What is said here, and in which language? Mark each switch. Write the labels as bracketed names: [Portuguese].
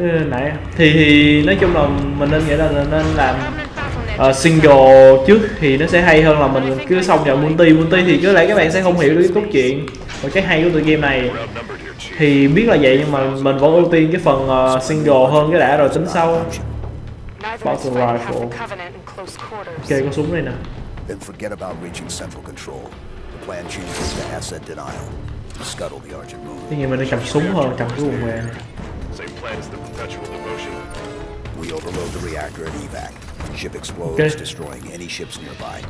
[Vietnamese] Nãy thì nói chung là mình nên nghĩ là nên làm single trước thì nó sẽ hay hơn là mình cứ xong vào multi thì có lẽ các bạn sẽ không hiểu được cái cốt truyện và cái hay của tựa game này. Thì biết là vậy nhưng mà mình vẫn ưu tiên cái phần single hơn cái đã rồi tính sau. Bottle rifle. Kê con súng này nè. [English] Then forget about reaching central control. The plan changes to asset denial. Scuttle the Argent Moon. [Vietnamese] Thì mình nên cầm súng hơn, cầm cái quần mềm. [English] Same plan as the perpetual devotion. We overload the reactor at evac. Ship explodes, okay. Destroying any ships nearby.